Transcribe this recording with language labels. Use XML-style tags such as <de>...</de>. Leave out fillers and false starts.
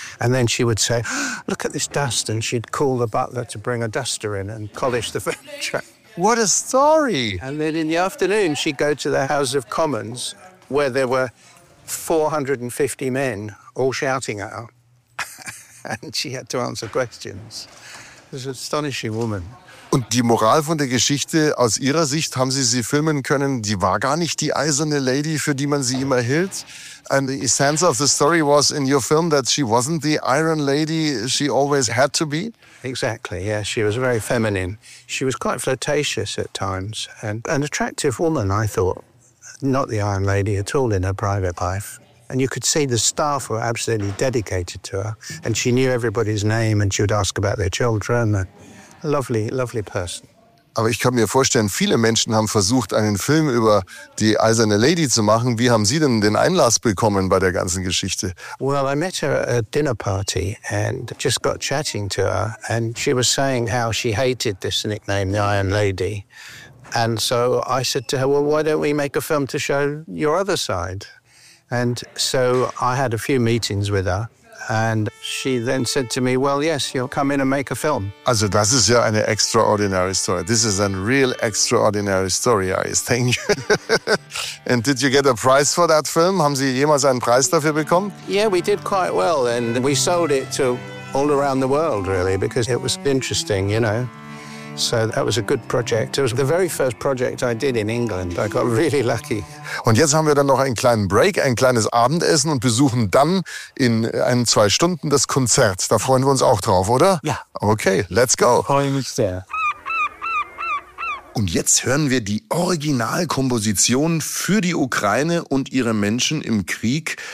<en>And then she would say, look at this dust. And she'd call the butler to bring a duster in and polish the furniture. What a story! And then in the afternoon, she'd go to the House of Commons, where there were 450 men all shouting at her. And she had to answer questions. It was an astonishing woman.</en> <de>Und die Moral von der Geschichte, aus Ihrer Sicht, haben Sie sie filmen können, die war gar nicht die eiserne Lady, für die man sie immer hielt.</de> <en>And the essence of the story was in your film that she wasn't the Iron Lady she always had to be? Exactly, yeah. She was very feminine. She was quite flirtatious at times and an attractive woman, I thought. Not the Iron Lady at all in her private life. And you could see the staff were absolutely dedicated to her and she knew everybody's name and she would ask about their children and... Lovely, lovely person.</en> <de>Aber ich kann mir vorstellen, viele Menschen haben versucht, einen Film über die Eiserne Lady zu machen. Wie haben Sie denn den Einlass bekommen bei der ganzen Geschichte?</de> <en>Well, I met her at a dinner party and just got chatting to her. And she was saying how she hated this nickname, the Iron Lady. And so I said to her, well, why don't we make a film to show your other side? And so I had a few meetings with her. And she then said to me, well, yes, you'll come in and make a film.</en> <de>Also, das ist ja eine</de> <en>extraordinary story. This is a real extraordinary story, I think. And did you get a prize for that film?</en> <de>Haben Sie jemals einen Preis dafür bekommen?</de> <en>Yeah, we did quite well. And we sold it to all around the world, really, because it was interesting, you know. So that was a good project. It was the very first project I did in England. I got really lucky.</en> <de>Und jetzt haben wir dann noch einen kleinen Break, ein kleines Abendessen und besuchen dann in ein, zwei Stunden das Konzert. Da freuen wir uns auch drauf, oder? Ja.</de> <en>Okay, let's go.</en> <de>Freue mich sehr. Und jetzt hören wir die Originalkomposition für die Ukraine und ihre Menschen im Krieg.</de>